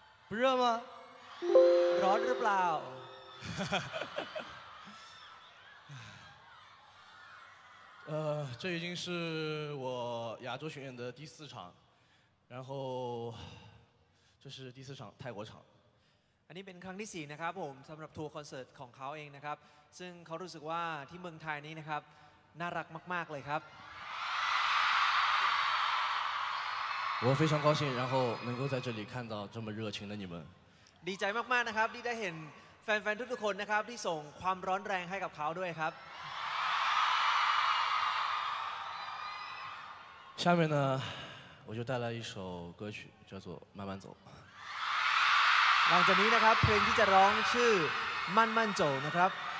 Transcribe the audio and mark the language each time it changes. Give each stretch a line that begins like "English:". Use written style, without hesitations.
Chinese: 不热吗？ Rod blau。这已经是我亚洲巡演的第四场，然后这是第四场泰国场。
Thai: อันนี้เป็นครั้งที่สี่นะครับผมสำหรับทัวร์คอนเสิร์ตของเขาเองนะครับซึ่งเขารู้สึกว่าที่เมืองไทยนี้นะครับ น่ารักมากๆเลยครับ
Chinese: 我非常高兴然后能够在这里看到这么热情的你们
Thai: ดีใจมากๆนะครับที่ได้เห็นแฟนๆทุกๆคนนะครับที่ส่งความร้อนแรงให้กับเขาด้วยครับ
Chinese: 下面呢我就带来一首歌曲叫做慢慢走
Thai: หลังจากนี้นะครับเพลงที่จะร้องชื่อ慢慢走นะครับ